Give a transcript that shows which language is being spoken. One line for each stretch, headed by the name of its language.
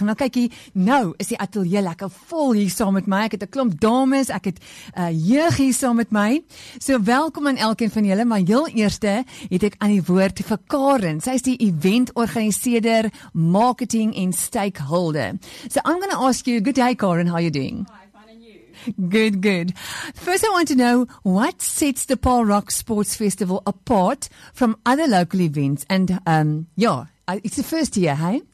Afrikaans: En nou kyk hier, nou is die ateljee lekker vol hier saam met my. Ek het 'n klomp dames, ek het jeug hier saam met my. So welkom aan elkeen van julle, maar heel eerste het ek aan die woord vir Karen. Sy is die event organiseerder, marketing en stakeholder.
English: So I'm going to ask you, good day Karen, how are you doing? Good, good. First, I want to know what sets the Paul Rock Sports Festival apart from other local events? And it's the first year, hey?